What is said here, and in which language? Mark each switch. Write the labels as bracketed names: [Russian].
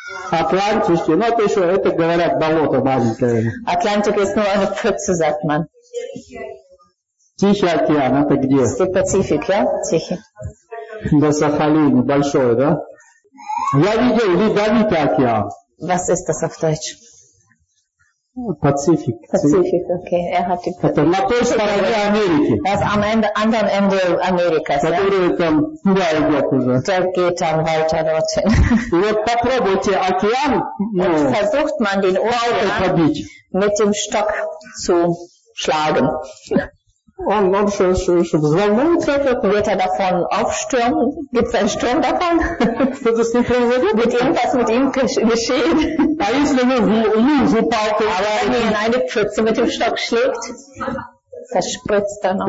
[Russian] Atlantische, ну это еще, это говорят, болото маленькое. [German] Atlantic ist nur eine Pfütze, sagt man. [Russian] Тихий океан, это где? [German] Ist der Pazifik, ja? Тихий. [Russian] До Сахалина, большой, да? Я видел Ледовитый океан. [German] Was ist das auf Deutsch? Pazifik. Pazifik, okay. Er hat die Pazifik. [Russian] Это на той стороне Америки. [German] Das am Ende, anderen Ende Amerikas, ja. [Russian] Который там, да, идет уже. [German] Der geht dann weiter dorthin. [Russian] И вот попробуйте океан, ну, [German] versucht man den Ozean mit dem Stock zu schlagen. Wird er davon aufstürmen? Gibt es einen Sturm davon? Wird irgendwas mit ihm geschehen? Aber wenn er in eine Pfütze mit dem Stock schlägt, verspritzt er noch.